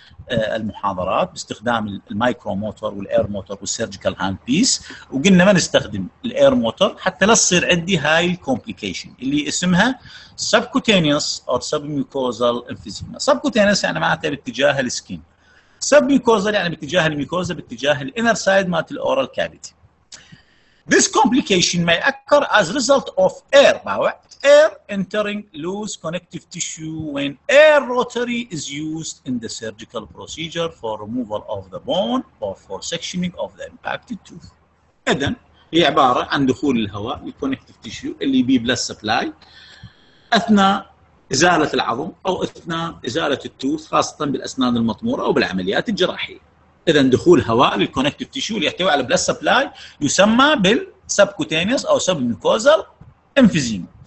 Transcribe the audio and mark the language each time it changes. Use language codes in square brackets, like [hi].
[ar] المحاضرات باستخدام المايكرو موتور والاير موتور والسيرجيكال هاند بيس، وقلنا ما نستخدم الاير موتور حتى لا تصير عندي هاي الكومبليكيشن اللي اسمها سبكوتينيوس او سبميكوزال انفيزيما. سبكوتينيوس يعني معناته باتجاه السكين، سبميكوزال يعني باتجاه الميكوزا باتجاه الانر سايد مالت الاورال كافيتي. [en] This complication may occur as a result of air, air entering loose connective tissue when air rotary is used in the surgical procedure for removal of the bone or for sectioning of the impacted tooth. [ar] إذن هي عبارة عن دخول الهواء للconnective tissue اللي بي blood supply أثناء إزالة العظم أو أثناء إزالة التوث خاصة بالأسنان المطمورة أو بالعمليات الجراحية. اذا دخول هواء للكونكتيف تيشو اللي يحتوي على بلس سبلاي يسمى بالسبكوتينيوس او سب ميكوزال انفيزيما.